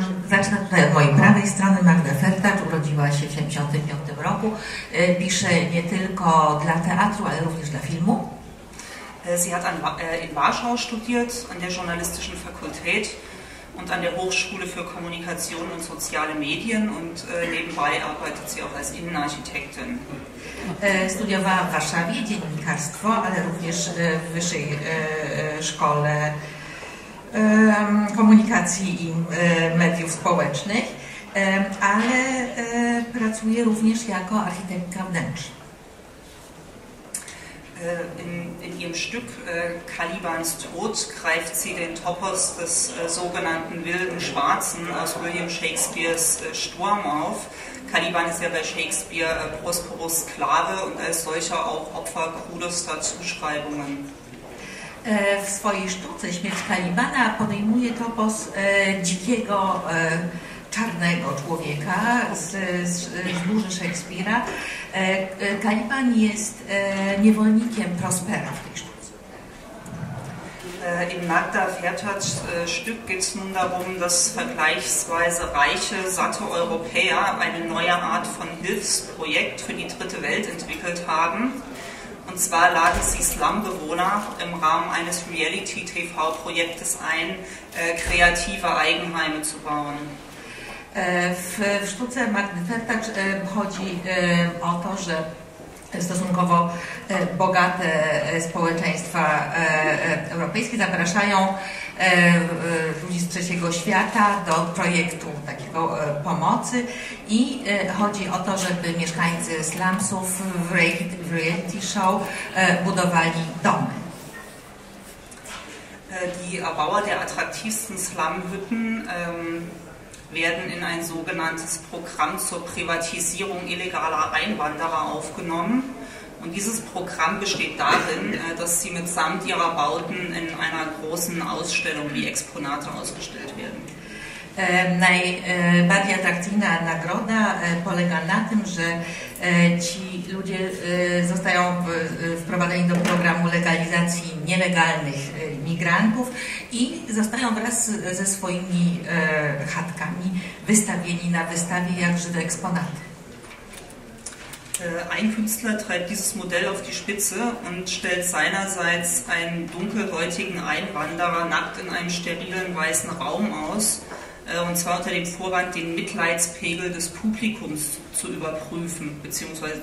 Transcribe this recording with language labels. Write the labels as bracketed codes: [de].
[pl] Zacznę tutaj od mojej prawej strony. Magda Fertacz urodziła się w 1975 roku. Pisze nie tylko dla teatru, ale również dla filmu. [de] Sie hat in Warschau studiert, an der Journalistischen Fakultät und an der Hochschule für Kommunikation und soziale Medien und nebenbei arbeitet sie auch als Innenarchitektin. [pl] Studiowała w Warszawie dziennikarstwo, ale również w Wyższej Szkole Komunikacji i Mediów Społecznych, ale pracuje również jako architektka wnętrz. [de] In ihrem Stück Calibans Tod greift sie den Topos des sogenannten wilden Schwarzen aus William Shakespeares Sturm auf. Caliban ist ja bei Shakespeare Prosperus Sklave und als solcher auch Opfer krudester Zuschreibungen. [pl] W swojej sztuce Śmierć Kalibana podejmuje topos dzikiego czarnego człowieka z burzy Szekspira. Caliban jest niewolnikiem Prospera w tej sztuce. [de] In Magda Fertatsch Stück geht es nun darum, dass vergleichsweise reiche, satte Europäer eine neue Art von Hilfsprojekt für die dritte Welt entwickelt haben. Und zwar laden sie Slum-Bewohner im Rahmen eines Reality-TV-Projektes ein, kreative Eigenheime zu bauen. [pl] W sztuce Magdy Fertacz chodzi o to, że stosunkowo bogate społeczeństwa europejskie zapraszają ludzi z trzeciego świata do projektu takiego pomocy i chodzi o to, żeby mieszkańcy slumsów w reality show budowali domy. [de] Die Erbauer der attraktivsten Slum-Hütten werden in ein sogenanntes Programm zur Privatisierung illegaler Einwanderer aufgenommen. Und dieses Programm besteht darin, dass sie mitsamt ihrer Bauten in einer großen Ausstellung wie Exponate ausgestellt werden. [pl] Najbardziej atrakcyjna nagroda polega na tym, że ci ludzie zostają wprowadzeni do programu legalizacji nielegalnych migrantów i zostają wraz ze swoimi chatkami wystawieni na wystawie jak żywe eksponaty. [de] Ein Künstler treibt dieses Modell auf die Spitze und stellt seinerseits einen dunkelhäutigen Einwanderer nackt in einem sterilen weißen Raum aus. Und zwar unter dem Vorwand, den Mitleidspegel des Publikums zu überprüfen bzw.